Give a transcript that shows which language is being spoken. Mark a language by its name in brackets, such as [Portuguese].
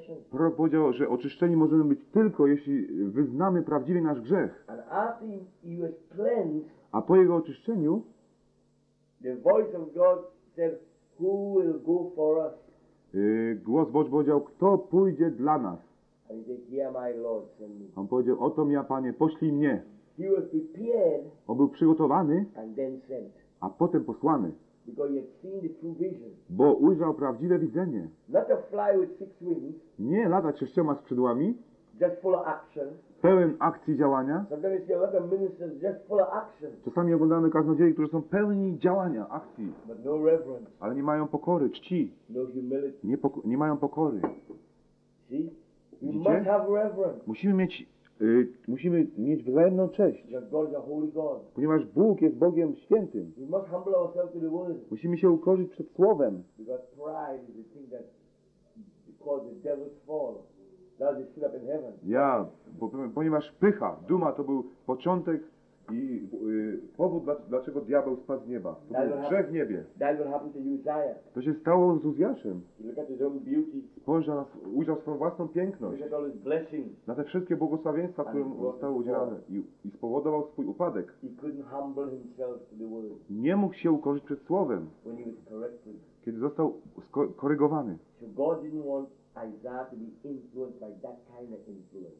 [Polish] Prorok powiedział, że oczyszczeni możemy być tylko, jeśli wyznamy prawdziwie nasz grzech. [English] And after he was cleansed, [Polish] a po jego oczyszczeniu [English] the voice of God said, who will go for us? [Polish] Głos Boży powiedział, kto pójdzie dla nas? [English] And he said, here my Lord, send me. [Polish] On powiedział, oto ja, Panie, poślij mnie. [English] He was prepared, [Polish] on był przygotowany [English] and then sent. [Polish] A potem posłany. [English] Because he had seen the true vision. [Polish] Bo ujrzał prawdziwe widzenie. [English] Not to fly with six wings, [Polish] nie latać sześcioma skrzydłami. [English] Just full of action. [Polish] Pełen akcji działania. [English] Sometimes you see a lot of ministers just full of action. [Polish] Czasami oglądamy kaznodziei, którzy są pełni działania, akcji. [English] But no reverence. [Polish] Ale nie mają pokory, czci. [English] No humility. [Polish] Nie mają pokory. [English] See? You must have reverence. [Polish] Musimy mieć wzajemną cześć. [English] God is a holy God. [Polish] Ponieważ Bóg jest Bogiem świętym. [English] We must humble ourselves to the word. [Polish] Musimy się ukorzyć przed Słowem. [English] Because pride is the thing that causes the devil's fall. That is set up in heaven. [Polish] Ja, ponieważ pycha, duma to był początek i powód, dlaczego diabeł spadł z nieba. To był grzech w niebie. [English] That will happen to Uzziah. [Polish] To się stało z Uzjaszem. [English] Look at his own beauty. [Polish] Spojrzał, ujrzał swoją własną piękność. [English] Look at all his blessings. [Polish] Na te wszystkie błogosławieństwa, które mu zostały udzielane. I spowodował swój upadek. [English] He couldn't humble himself to the word. [Polish] Nie mógł się ukorzyć przed Słowem. [English] When he was corrected. [Polish] Kiedy został skorygowany. [English] So God didn't want Isaiah to be influenced by that kind of influence.